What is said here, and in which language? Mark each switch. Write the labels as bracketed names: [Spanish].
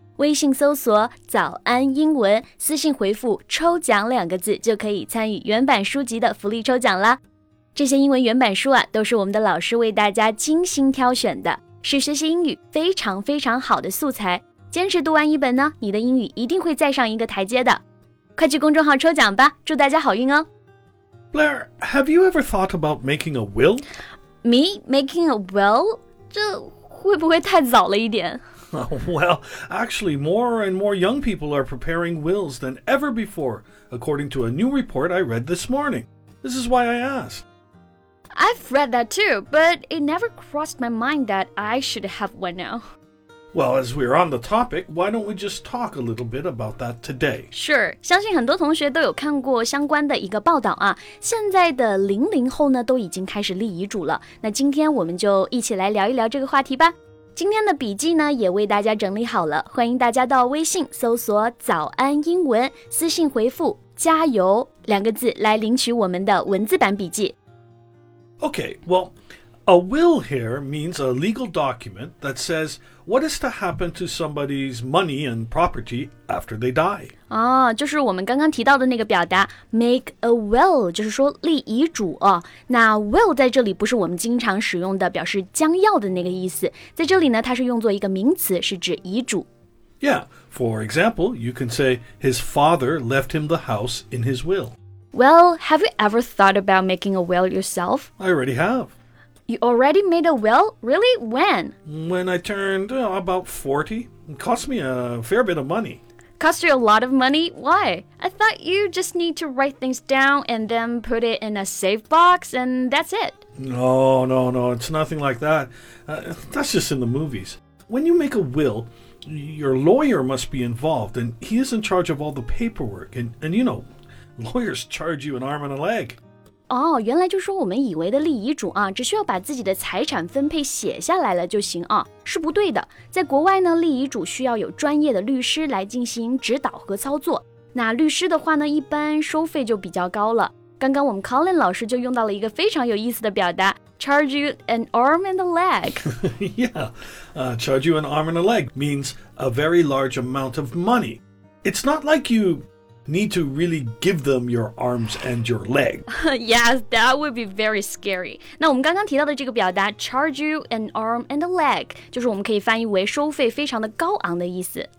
[Chinese] 微信搜索早安英文，私信回复抽奖两个字，就可以参与原版书籍的福利抽奖啦。这些英文原版书啊，都是我们的老师为大家精心挑选的。是学习英语非常非常好的素材，坚持读完一本呢，你的英语一定会再上一个台阶的。快去公众号抽奖吧，祝大家好运哦。 [English] Blair, have you ever thought about making a will? Me? Making a will? [Chinese] 这会不会太早了一点？ [English] Well, actually, more and more young people are preparing wills than ever before, according to a new report I read this morning. This is why I asked. I've read that too, but it never crossed my mind that I should have one now. Well, as we're on the topic, why don't we just talk a little bit about that today? [Chinese] Sure, 相信很多同学都有看过相关的一个报道啊。现在的00后呢都已经开始立遗嘱了。那今天我们就一起来聊一聊这个话题吧。今天的笔记呢也为大家整理好了。欢迎大家到微信搜索早安英文，私信回复加油两个字来领取我们的文字版笔记。 [English] Okay, well, a will here means a legal document that says what is to happen to somebody's money and property after they die. [Chinese] 哦，就是我们刚刚提到的那个表达 [English] make a will, [Chinese] 就是说立遗嘱哦。那 will 在这里不是我们经常使用的表示将要的那个意思，在这里呢，它是用作一个名词，是指遗嘱。 [English] Yeah, for example, you can say his father left him the house in his will. Well, have you ever thought about making a will yourself? I already have. You already made a will? Really? When? When I turned about 40. It cost me a fair bit of money. Cost you a lot of money? Why? I thought you just need to write things down and then put it in a safe box and that's it. No, it's nothing like that. That's just in the movies. When you make a will... Your lawyer must be involved, and he is in charge of all the paperwork. And you know, lawyers charge you an arm and a leg. [Chinese] Oh, 原来就是我们以为的立遗嘱啊，只需要把自己的财产分配写下来了就行啊，是不对的。在国外呢，立遗嘱需要有专业的律师来进行指导和操作。那律师的话呢，一般收费就比较高了。刚刚我们 Colin 老师就用到了一个非常有意思的表达。 [English] Charge you an arm and a leg. Yeah, charge you an arm and a leg means a very large amount of money. It's not like you need to really give them your arms and your leg. Yes, that would be very scary. [Chinese] 那我们刚刚提到的这个表达 [English] charge you an arm and a leg, [Chinese] 就是我们可以翻译为收费非常的高昂的意思。